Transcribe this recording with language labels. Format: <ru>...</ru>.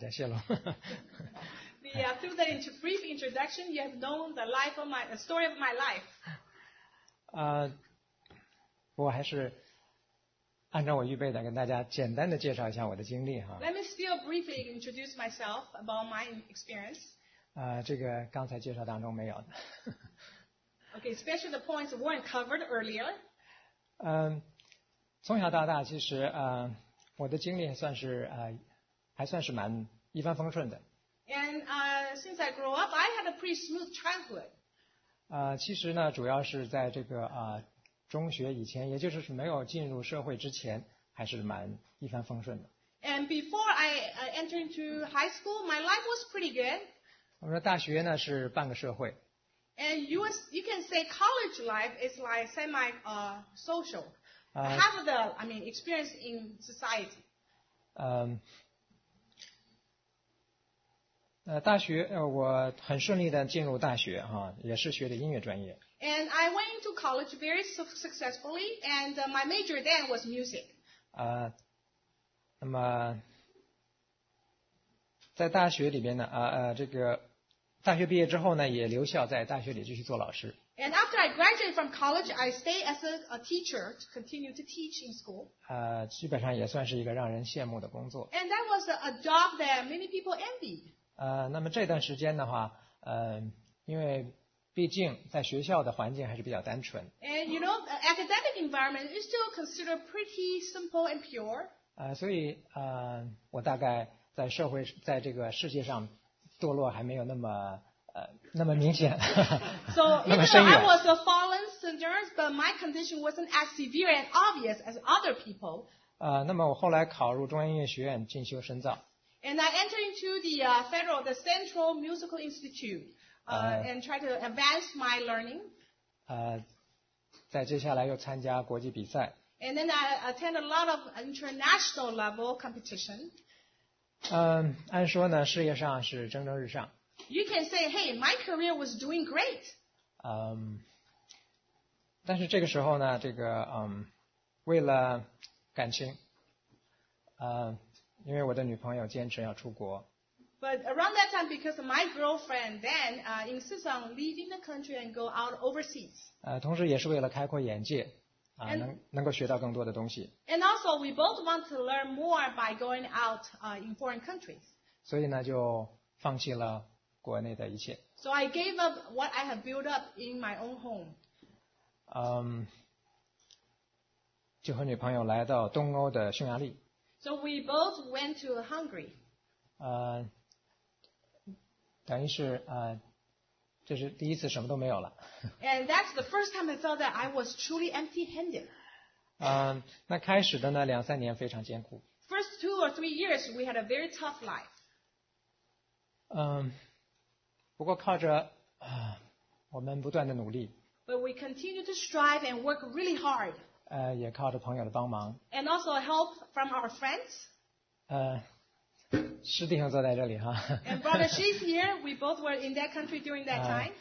<en>Yeah, through the brief introduction, you have known the life of the story of my life.</en> <zh>我还是按照我预备的跟大家简单的介绍一下我的经历哈。</zh> <en>Let me still briefly introduce myself about my experience.</en> <zh>这个刚才介绍当中没有的。</zh> <en>Okay, especially the points weren't covered earlier.</en> <zh>从小到大，其实我的经历算是还算是蛮一帆风顺的。</zh> <en>And since I grew up, I had a pretty smooth childhood.</en> <zh>其实呢，主要是在这个中学以前，也就是没有进入社会之前，还是蛮一帆风顺的。</zh> <en>And before I entered into high school, my life was pretty good.</en> <zh>我说大学呢是半个社会。</zh> <en>And you can say college life is like semi social. Half of experience in society.</en> <zh>大学我很顺利的进入大学哈，也是学的音乐专业。</zh> <en>And I went into college very successfully, and my major then was music.</en> <zh>那么在大学里边呢，这个大学毕业之后呢，也留校在大学里继续做老师。</zh> <en>And after I graduated from college, I stayed as a teacher to continue to teach in school.</en> <zh>基本上也算是一个让人羡慕的工作。</zh> <en>And that was a job that many people envied.</en> <zh>那么这段时间的话，因为毕竟在学校的环境还是比较单纯。</zh> <en>And you know, the academic environment is still considered pretty simple and pure.</en> <zh>所以我大概在社会，在这个世界上堕落还没有那么那么明显。</zh> <en>So even though I was a fallen sinner, but my condition wasn't as severe and obvious as other people.</en> <zh>那么我后来考入中央音乐学院进修深造。</zh> <en>And I entered into the federal, the Central Musical Institute, and tried to advance my learning.</en> <zh>在接下来又参加国际比赛。</zh> <en>And then I attend a lot of international level competition.</en> <zh>按说呢，事业上是蒸蒸日上。</zh> <en>You can say, hey, my career was doing great.</en> <zh>但是这个时候呢，这个为了感情，因为我的女朋友坚持要出国。</zh> <en>But around that time, because my girlfriend then insists on leaving the country and go out overseas.</en> <zh>同时也是为了开阔眼界，能够学到更多的东西。</zh> <en>And also, we both want to learn more by going out in foreign countries.</en> <zh>所以呢，就放弃了。国内的一切。</zh> <en>So I gave up what I have built up in my own home.</en> <zh>就和女朋友来到东欧的匈牙利。</zh> <en>So we both went to Hungary.</en> <zh>等于是这是第一次什么都没有了。</zh> <en>And that's the first time I felt that I was truly empty-handed.</en> <zh>那开始的那两三年非常艰苦。</zh> <en>First two or three years, we had a very tough life.</en> <zh>不过靠着我们不断的努力</zh> <en>But we continue to strive and work really hard.</en> <zh>也靠着朋友的帮忙</zh> <en>And also help from our friends.</en> <zh>施弟兄坐在这里哈</zh> <en>And brother she's here. We both were in that country during that time.</en>